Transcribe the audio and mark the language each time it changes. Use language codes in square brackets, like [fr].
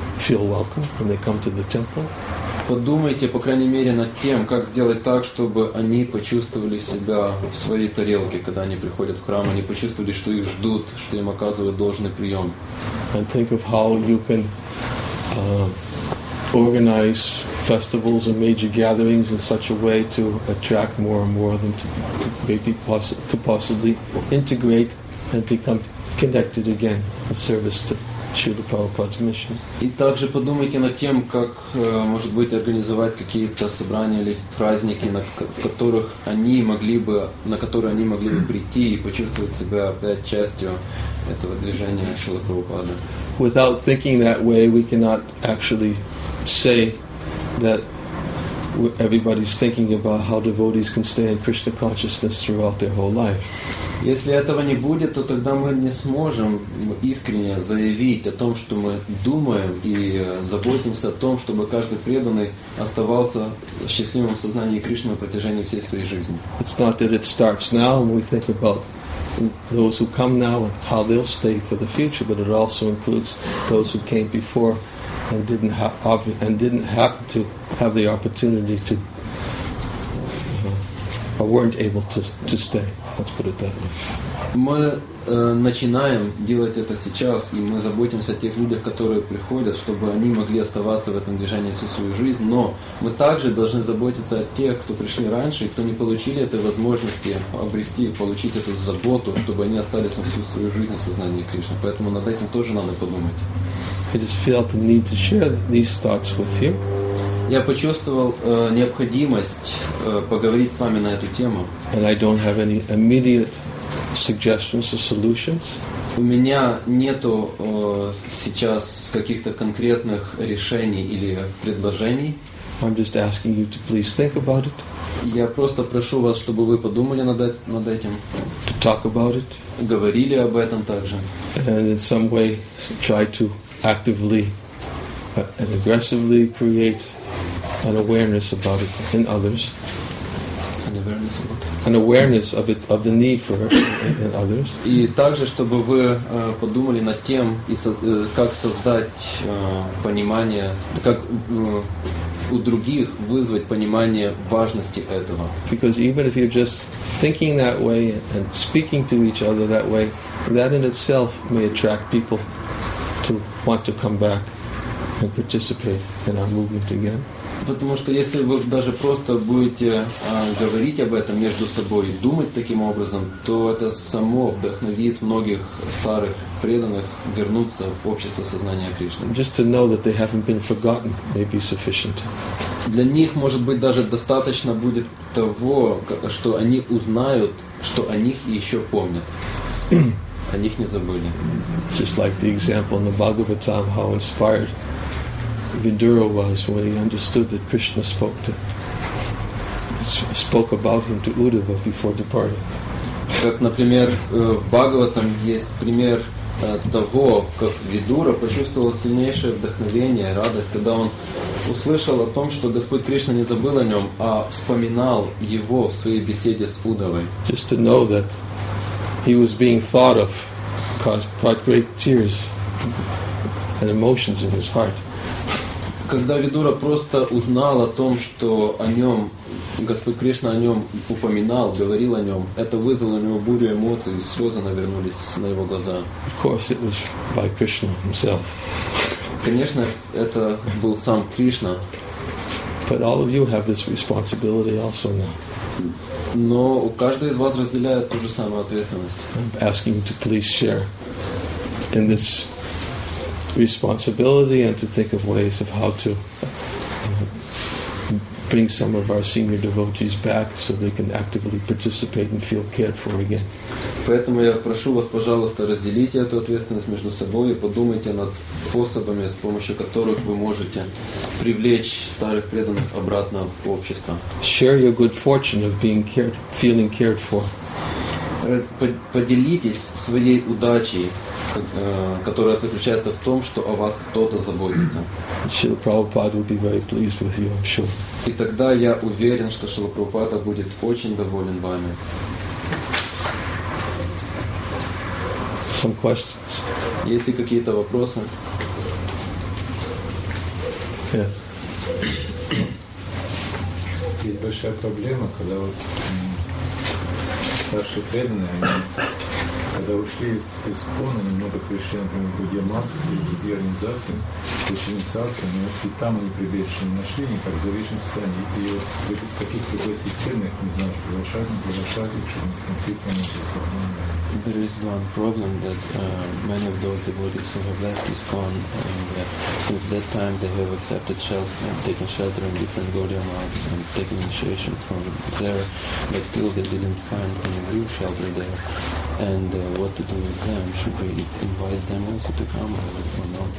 [en] feel welcome when they come to the temple. [ru] Подумайте, по крайней мере, над тем, как сделать так, чтобы они почувствовали себя в своей тарелке, когда они приходят в храм, они почувствовали, что их ждут, что им оказывают должный прием. [en] And think of how you can organize festivals and major gatherings in such a way to attract more and more of them to possibly integrate and become connected again in service to Srila Prabhupada's mission. [ru] И также подумайте над тем, как, может быть, организовать какие-то собрания или праздники, на которые они могли бы прийти и почувствовать себя опять частью этого движения Шрилы Прабхупады. [en] Without thinking that way, we cannot actually say that everybody's thinking about how devotees can stay in Krishna consciousness throughout their whole life. [ru] Если этого не будет, то тогда мы не сможем искренне заявить о том, что мы думаем и заботимся о том, чтобы каждый преданный оставался в счастливом сознании Кришны на протяжении всей своей жизни. [en] It's not that it starts now and we think about those who come now and how they'll stay for the future, but it also includes those who came before and didn't happen to have the opportunity to or weren't able to stay. Let's put it that way. [ru] Мы начинаем делать это сейчас, и мы заботимся о тех людях, которые приходят, чтобы они могли оставаться в этом движении всю свою жизнь. Но мы также должны заботиться о тех, кто пришли раньше, и кто не получили этой возможности обрести, получить эту заботу, чтобы они остались на всю свою жизнь в сознании Кришны. Поэтому над этим тоже надо подумать. [en] I just felt the need to share these thoughts with you. [ru] Я почувствовал необходимость поговорить с вами на эту тему. [en] And I don't have any immediate suggestions or solutions. [ru] У меня нету сейчас каких-то конкретных решений или предложений. [en] I'm just asking you to please think about it. [ru] Я просто прошу вас, чтобы вы подумали над этим. [en] To talk about it. [ru] Говорили об этом также. [en] And in some way try to actively and aggressively create an awareness about it in others. An awareness of it. An awareness of it, of the need for it in others. [ru] И также, чтобы вы подумали над тем, как создать понимание, как у других вызвать понимание важности этого. [en] Because even if you're just thinking that way and speaking to each other that way, that in itself may attract people to want to come back and participate in our movement again. [ru] Потому что если вы даже просто будете говорить об этом между собой, думать таким образом, то это само вдохновит многих старых преданных вернуться в общество сознания Кришны. [en] Just to know that they haven't been forgotten may be sufficient. [ru] Для них, может быть, даже достаточно будет того, что они узнают, что о них еще помнят. О них не забыли. [en] Just like the example in the Bhagavatam, how inspired Vidura was when he understood that Krishna spoke about him to Uddhava before departing. [ru] Как, например, в Бхагаватам есть пример того, как Видура почувствовал сильнейшее вдохновение, радость, когда он услышал о том, что Господь Кришна не забыл о нем, а вспоминал его в своей беседе с Уддхавой. [en] Just to know that he was being thought of caused quite great tears and emotions in his heart. [ru] Когда Видура просто узнал о том, что о нем, Господь Кришна о нем упоминал, говорил о нем, это вызвало у него бурю эмоций, и слезы навернулись на его глаза. [en] Of course, it was by Krishna himself. [ru] Конечно, это был сам Кришна. [en] But all of you have this responsibility also now. [ru] Но у каждого из вас разделяет ту же самую ответственность. [en] I'm asking you to please share in this responsibility and to think of ways of how to bring some of our senior devotees back so they can actively participate and feel cared for again. [ru] Поэтому я прошу вас, пожалуйста, разделите эту ответственность между собой и подумайте над способами, с помощью которых вы можете привлечь старых преданных обратно в общество. [en] Share your good fortune of being cared, feeling cared for. [ru] Поделитесь своей удачей, которая заключается в том, что о вас кто-то заботится. [en] Шрила Прабхупада would be very pleased with you, I'm sure. [ru] И тогда я уверен, что Шрила Прабхупада будет очень доволен вами. [en] Some questions? [ru] Есть ли какие-то вопросы? [en] Yes. [ru] Есть большая проблема, когда вот старшие преданные, они, когда ушли из искона, немного пришли, например, в Будьямат и другие организации, включили инициацию, но и там они прибежище не нашли, они как в завешенном состоянии. И вот в каких-то гостях, не знаю, приглашать их, чтобы конфликт не был. [en] There is one problem that many of those devotees who have left ISKCON, and since that time they have accepted shelter, taken shelter in different Gaudiya Maths and taken initiation from there, but still they didn't find any real shelter there. And what to do with them? Should we invite them also to come or not?